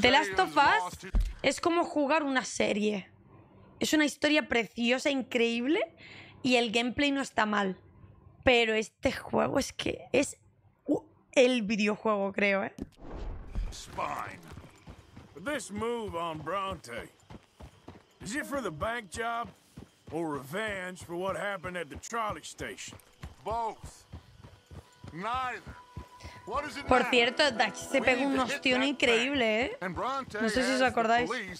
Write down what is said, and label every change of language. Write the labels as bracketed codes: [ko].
[es] The Last of Us es como jugar una serie. Es una historia preciosa, increíble, y el gameplay no está mal. Pero este juego es que es el videojuego, creo, ¿eh? [en] Spine. This move on Bronte. Is it for the bank job or revenge for what happened at the trolley station? Both. Neither. What is it? [es] Por cierto, Dutch se pegó un ostión increíble, ¿eh? No sé si os acordáis.